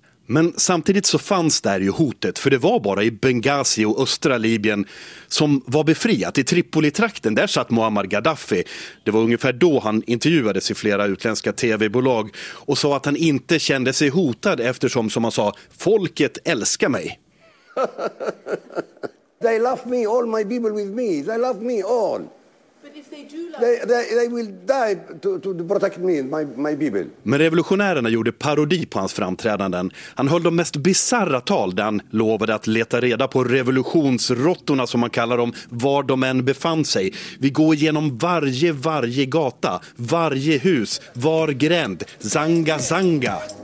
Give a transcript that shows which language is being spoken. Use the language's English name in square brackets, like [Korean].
[Swedish] Men samtidigt så fanns där ju hotet, för det var bara i Benghazi och östra Libyen som var befriat. I Tripoli-trakten, där satt Muammar Gaddafi. Det var ungefär då han intervjuades i flera utländska tv-bolag och sa att han inte kände sig hotad eftersom, som han sa, folket älskar mig. [English] They love me, all my people with me. They love me all. They will die to protect me, my people. [Swedish] Men revolutionärerna gjorde parodi på hans framträdanden. Han höll de mest bizarra tal där han lovade att leta reda på revolutionsrottorna, som man kallar dem, var de än befann sig. Vi går igenom varje gata, varje hus, var gränd, [Arabic] zanga zanga.